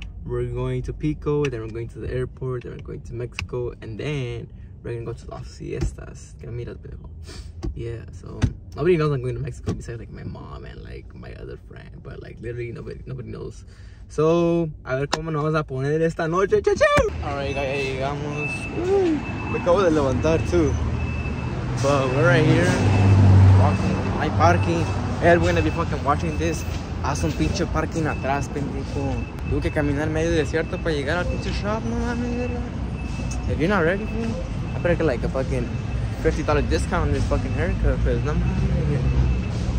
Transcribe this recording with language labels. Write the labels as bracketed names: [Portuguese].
[English] We're going to Pico, then we're going to the airport, then we're going to Mexico, and then we're gonna go to las siestas. Gonna meet us, people. Yeah, so nobody knows I'm going to Mexico besides like my mom and like my other friend, but like literally nobody knows. [Spanish] So, a ver cómo nos vamos a poner esta noche. Chao, chao. [English] All right, [Spanish] ya llegamos. Me acabo de levantar too. [English] But we're right here, walking, my parking. And we're gonna be fucking watching this. [Spanish] Haz un pinche parking atrás, pendejo. Tuve que caminar medio desierto para llegar al pinche shop, no mames. [English] If you're not ready, bro, I better get like a fucking $50 discount on this fucking haircut, because [Spanish] no mames.